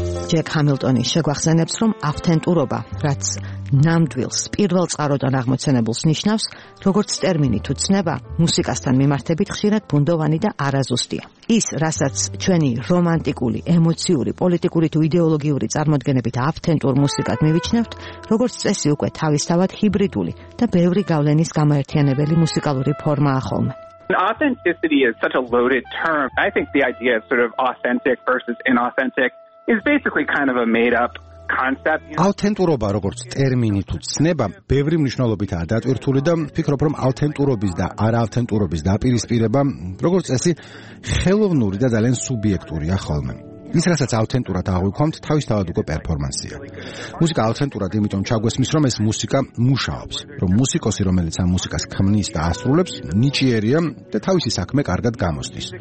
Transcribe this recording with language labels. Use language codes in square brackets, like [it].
[ka] ჯეკ ჰამილტონი შეგვახსენებს, რომ ავთენტურობა, რაც ნამდვილს პირველ წყაროდან აღმოცენებულს ნიშნავს, როგორც ტერმინი თუ ცნება, მუსიკასთან მიმართებით ხშირად ბუნდოვანი და არაზუსტია. ის, რასაც ჩვენი რომანტიკული, ემოციური, პოლიტიკური თუ იდეოლოგიური წარმოდგენებით ავთენტურ მუსიკად მივიჩნევთ, როგორც წესი უკვე თავისთავად ჰიბრიდული და ბევრი გავლენის გამაერთიანებელი მუსიკალური ფორმაა ხოლმე. [en] Authenticity is such a loaded term. I think the idea of sort of authentic versus inauthentic is basically kind of a made up concept. [ka] ავთენტურობა როგორც ტერმინი თუ ცნება ბევრი მნიშვნელობითაა დატვირთული და ვფიქრობ, რომ ავთენტურობის და არაავთენტურობის დაპირისპირება, როგორც წესი, ხელოვნური და ძალიან სუბიექტურია ხოლმე. ის, რასაც ავთენტურად აღვიქვამთ, თავისთავად უკვე პერფორმანსია. მუსიკა ავთენტურად იმიტომ ჩაგვესმის, რომ ეს მუსიკა მუშაობს, რომ მუსიკოსი, რომელიც ამ მუსიკას ქმნის და ასრულებს, ნიჭიერია და თავისი საქმე კარგად გამოსდის.